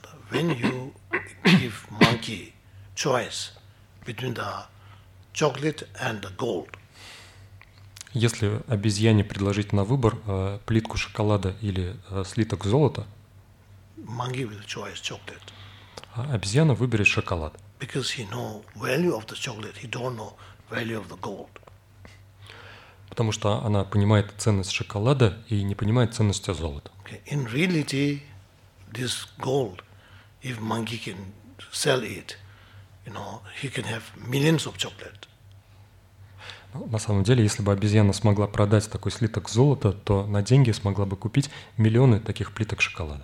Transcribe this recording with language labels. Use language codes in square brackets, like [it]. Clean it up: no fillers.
[en] when you give monkey choice between the chocolate and the gold, [ru] если обезьяне предложить на выбор плитку шоколада или слиток золота, [en] monkey will choose chocolate. [ru] Обезьяна выберет шоколад. [en] Because he know value of the chocolate, he don't know value of the gold. [ru] Потому что она понимает ценность шоколада и не понимает ценности золота. [en] Okay. In reality, this gold, if monkey can sell it, you know, he can have millions of chocolate. [ru] На самом деле, если бы обезьяна смогла продать такой слиток золота, то на деньги смогла бы купить миллионы таких плиток шоколада.